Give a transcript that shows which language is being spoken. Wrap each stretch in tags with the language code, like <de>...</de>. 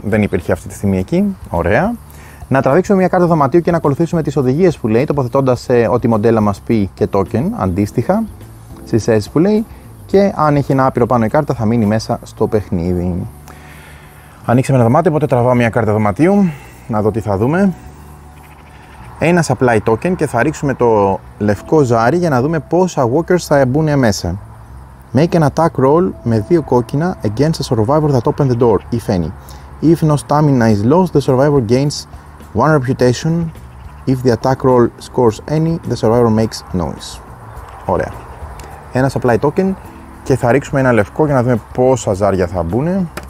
<el>Δεν υπήρχε αυτή τη στιγμή εκεί. Ωραία. Να τραβήξουμε μια κάρτα δωματίου και να ακολουθήσουμε τις οδηγίες που λέει, τοποθετώντας ό,τι μοντέλα μας πει και token αντίστοιχα στις θέσεις που λέει. Και αν έχει ένα άπειρο πάνω η κάρτα, θα μείνει μέσα στο παιχνίδι. Ανοίξαμε ένα δωμάτιο, οπότε τραβάω μια κάρτα δωματίου. Να δω τι θα δούμε. Ένα supply token και θα ρίξουμε το λευκό ζάρι για να δούμε πόσα walkers θα μπουν μέσα.</el> <en>Make an attack roll</en> <el>με δύο κόκκινα</el> <en>against a survivor that opened the door, if any. If no stamina is lost, the survivor gains one reputation. If the attack roll scores any, the survivor makes noise.</en> <el>Ωραία. Ένα supply token και θα ρίξουμε ένα λευκό για να δούμε πόσα ζάρια θα μπουν.</el>